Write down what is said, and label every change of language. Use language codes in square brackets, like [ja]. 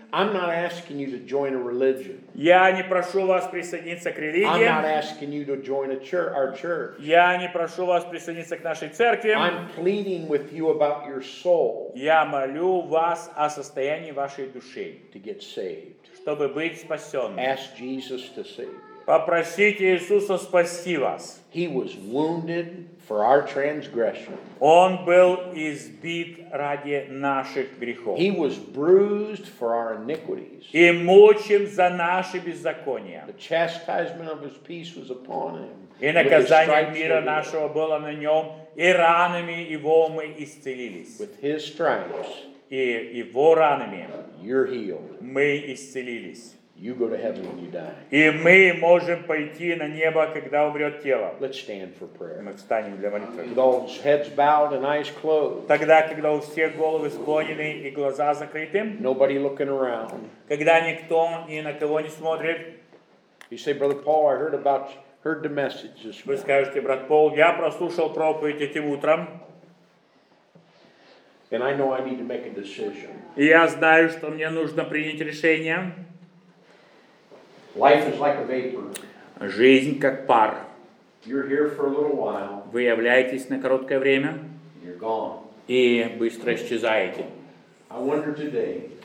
[en] I'm not asking you to join a religion. [ru] Я не прошу вас присоединиться к религии. [en] I'm not asking you to join a church, our church. [ru] Я не прошу вас присоединиться к нашей церкви. [en] I'm pleading with you about your soul. [ru] Я молю вас о состоянии вашей души. [en] To get saved. [ru] Чтобы быть спасенным. [en] Ask Jesus to save you. [ru] Попросите Иисуса спасти вас. [en] He was wounded for our transgression. [ru] Он был избит ради наших грехов. [en] He was bruised for our iniquities. [ru] И мучим за наши беззакония. [en] The chastisement of his peace was upon him. [ru] И наказание мира нашего было на нем, и ранами его мы исцелились. [en] With his stripes, [ru] и его ранами [en] you're healed. [ru] Мы исцелились. [en] You go to heaven when you die. [ru] И мы можем пойти на небо, когда умрет тело. [en] Let's stand for prayer. [ru] Мы встанем для молитвы. [en] With all heads bowed and eyes closed. [ru] Тогда, когда у всех головы склонены и глаза закрыты. [en] Nobody looking around. [ru] Когда никто ни на кого не смотрит. [en] You say, Brother Paul, I heard the message this morning. [ru] Вы скажете, брат Пол, я прослушал проповедь этим утром. [en] And I know I need to make a decision. [ru] И я знаю, что мне нужно принять решение. [en] Life is like a vapor. [ru] Жизнь как пар. [en] You're here for a little while. [ru] Вы являетесь на короткое время. [en] You're gone. [ru] И быстро исчезаете. [en] I wonder today.